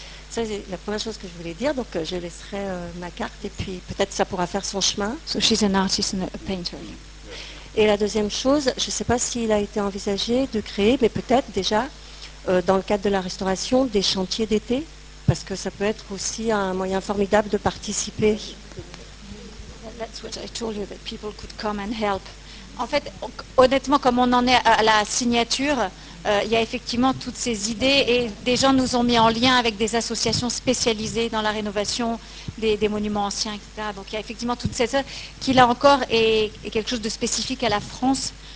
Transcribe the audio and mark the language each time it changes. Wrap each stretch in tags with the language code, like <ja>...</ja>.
<fr>Ça, c'est la première chose que je voulais dire, donc je laisserai ma carte et puis peut-être ça pourra faire son chemin.</fr> <en>So she's an artist and a painter.</en> <fr>Et la deuxième chose, je ne sais pas s'il a été envisagé de créer, mais peut-être déjà, dans le cadre de la restauration, des chantiers d'été, parce que ça peut être aussi un moyen formidable de participer.</fr> <en>That's what I told you, that people could come and help.</en> <fr>En fait, honnêtement, comme on en est à la signature, il y a effectivement toutes ces idées et des gens nous ont mis en lien avec des associations spécialisées dans la rénovation des monuments anciens, etc. Donc il y a effectivement toute cette qui là encore est quelque chose de spécifique à la France.</fr>